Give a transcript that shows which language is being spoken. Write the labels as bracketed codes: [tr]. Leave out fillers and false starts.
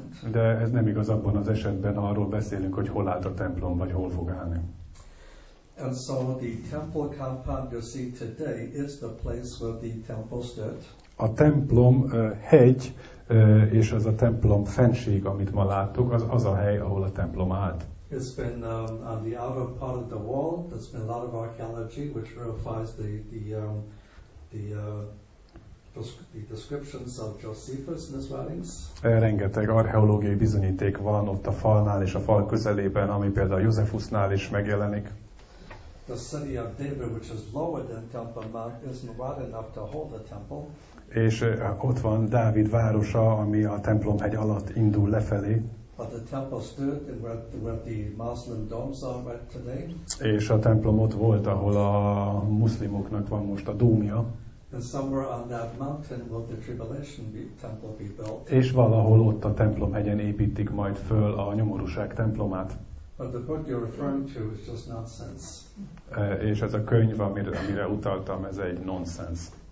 [hu] De ez nem igaz abban az esetben, arról beszélünk, hogy hol állt a templom, vagy hol fog állni. [en] And so the temple compound you see today is the place where the temple stood. [hu] A templom hegy, és az a templom fenség, amit ma láttuk, az a hely, ahol a templom állt. [en] It's been on the outer part of the wall. There's been a lot of archaeology which verifies the descriptions of Josephus and his writings. [hu] Rengeteg archeológiai bizonyíték van ott a falnál és a fal közelében, ami például Josephusnál is megjelenik. [en] The city of David, which is lower than Temple Mount, isn't wide enough to hold the temple. [hu] És ott van Dávid városa, ami a templom hegy alatt indul lefelé. [en] But the temple stood where the Muslim domes are right today. [hu] És a templom ott volt, ahol a muszlimoknak van most a dómja. [en] And somewhere on that mountain will the tribulation temple be built. [hu] És valahol ott a templom hegyen építik majd föl a nyomorúság templomát. [en] But the book you're referring to is just nonsense. [hu] És ez a könyv, amire utaltam, ez egy nonsense.